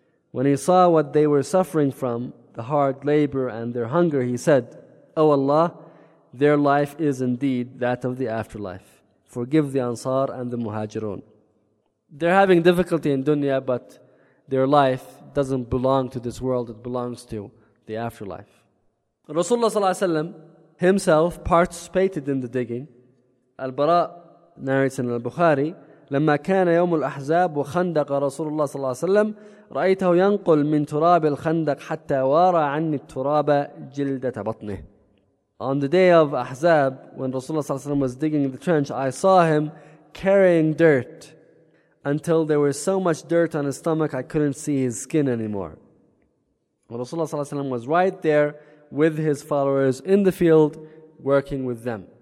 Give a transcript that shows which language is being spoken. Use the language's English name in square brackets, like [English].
[English] When he saw what they were suffering from, the hard labor and their hunger, he said, O Allah, their life is indeed that of the afterlife. Forgive the Ansar and the Muhajirun. They're having difficulty in dunya, but their life doesn't belong to this world. It belongs to the afterlife. Rasulullah ﷺ himself participated in the digging. Al-Bara narrates in Al-Bukhari, [Arabic] لَمَّا كَانَ يَوْمُ الْأَحْزَابُ وَخَنْدَقَ رَسُولُ اللَّهِ صَلَّى اللَّهُ عَلَيْهِ وَسَلَّمَ رَأَيْتَهُ يَنْقُلْ مِنْ تُرَابِ الْخَنْدَقِ حَتَّى وَارَ عَنِّي التُرَابَ جِلْدَةَ بَطْنِهِ. [English] On the day of Ahzab, when Rasulullah ﷺ was digging the trench, I saw him carrying dirt until there was so much dirt on his stomach I couldn't see his skin anymore. Rasulullah ﷺ was right there with his followers in the field working with them.